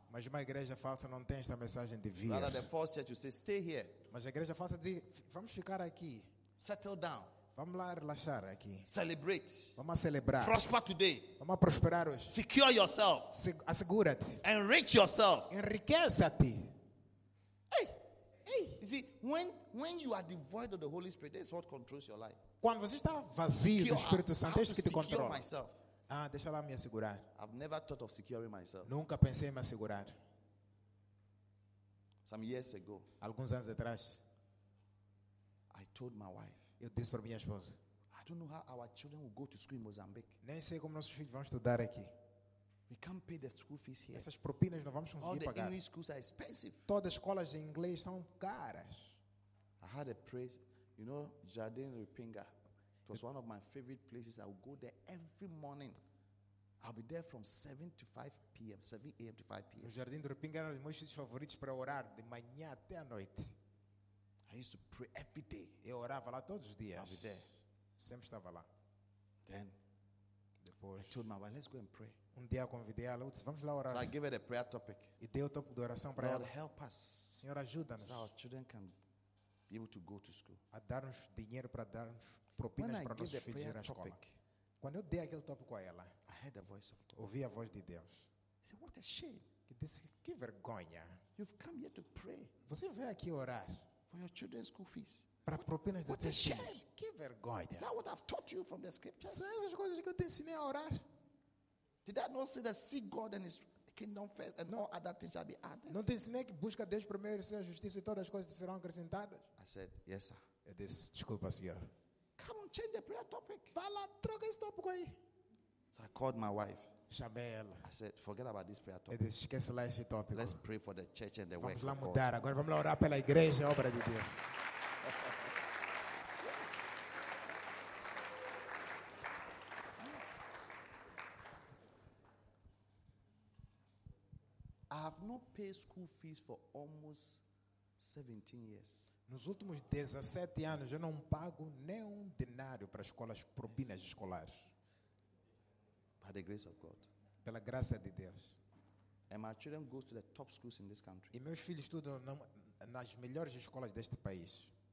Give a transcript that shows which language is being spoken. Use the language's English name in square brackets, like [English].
[Portuguese] Mas uma igreja falsa não tem esta mensagem de vir. [English] Rather, the false church will say, stay here. [Portuguese] Mas a igreja falsa diz, vamos ficar aqui. [English] Settle down. [Portuguese] Vamos lá relaxar aqui. [English] Celebrate. [Portuguese] Vamos celebrar. [English] Prosper today. [Portuguese] Vamos prosperar hoje. [English] Secure yourself. [Portuguese] Assegura-te. [English] Enrich yourself. [Portuguese] Enriqueça-te. [English] Hey. You see, when you are devoid of the Holy Spirit, that's what controls your life. [Portuguese] Quando você está vazio do Espírito Santo, é isso que te controla. [English] Secure myself. [Portuguese] Ah, deixa lá me assegurar. [English] I've never thought of securing myself. [Portuguese] Nunca pensei em me assegurar. [English] Some years ago. [Portuguese] Alguns anos atrás. [English] I told my wife. [Portuguese] Eu disse para minha esposa. [English] I don't know how our children will go to school in Mozambique. [Portuguese] Nem sei como nossos filhos vão estudar aqui. [English] We can't pay the school fees here. [Portuguese] Essas propinas não vamos conseguir pagar. [English] All the English schools are expensive. [Portuguese] Todas as escolas de inglês são caras. [English] I had a place, you know, Jardim Ripinga. It was one of my favorite places. I would go there every morning. I'll be there from 7 to 5 p.m. 7 a.m. to 5 p.m. [Portuguese] O Jardim do Ripinga era um dos meus sítios favoritos para orar de manhã até à noite. [English] I used to pray every day. [Portuguese] Eu orava lá todos os dias. [English] I'll be there. [Portuguese] Sempre estava lá. [English] Then, [Portuguese] depois, [English] I told my wife, let's go and pray. [Portuguese] Um dia convidei ela, vamos lá orar. [English] So I gave her the prayer topic. [Portuguese] E dei o tópico de oração para ela. [English] Lord, help us. [Portuguese] Senhor, ajuda-nos. [English] So our children can be able to go to school. [Portuguese] A dar-nos dinheiro para dar propinas para nossos filhos ir à escola. Quando eu dei aquele tópico a ela, [English] I heard the voice of God. [Portuguese] Ouvi a voz de Deus. [English] I said, what a shame. [Portuguese] Que disse, que vergonha. [English] You've come here to pray. [Portuguese] Você veio aqui orar. [English] For your children's school fees. [Portuguese] Para propinas de teus filhos. Que vergonha. [English] Is that what I've taught you from the scriptures? [Portuguese] São essas coisas que eu te ensinei a orar. [English] Did I not say that seek God and his kingdom first and all other things shall be added. [Portuguese] Não te ensinei que busca Deus primeiro e a justiça e todas as coisas serão acrescentadas? [English] I said, yes, sir. [Portuguese] Eu disse, desculpa, senhor. [English] Come on, change the prayer topic. [Portuguese] Vai lá, troca esse tópico aí. [English] So I called my wife. [Portuguese] Chamei ela. [English] I said, forget about this prayer topic. [Portuguese] Eu disse, esquece lá esse tópico. [English] Let's pray for the church and the [Portuguese] vamos [English] work. [Portuguese] Vamos lá mudar agora, vamos lá orar pela igreja, a obra de Deus. [English] I have not paid school fees for almost 17 years. [Portuguese] Nos últimos 17 anos, eu não pago nenhum denário para escolas, propinas escolares. [English] By the grace of God. [Portuguese] Pela graça de Deus. [English] And my children go to the top schools in this country. [Portuguese] E meus filhos estudam nas melhores escolas deste país.